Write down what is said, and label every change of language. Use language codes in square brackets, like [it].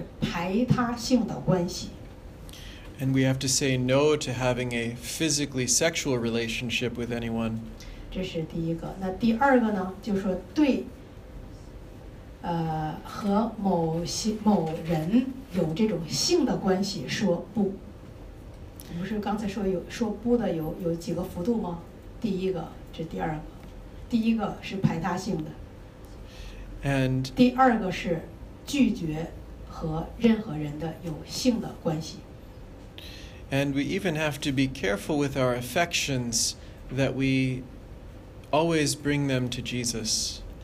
[zh] 有什么呀？有几个方式呢？第一个呢，你就是要拒绝那种就是排他性的关系。 [en] And we have to say no to having a physically sexual relationship with anyone. [zh] 这是第一个。那第二个呢，就是说对，和某人有这种性的关系说不。我们不是刚才说有说不的有几个幅度吗？第一个，这第二个。第一个是排他性的，第二个是拒绝和任何人的有性的关系。 [en] And we even have to be careful with our affections that we always bring them to Jesus.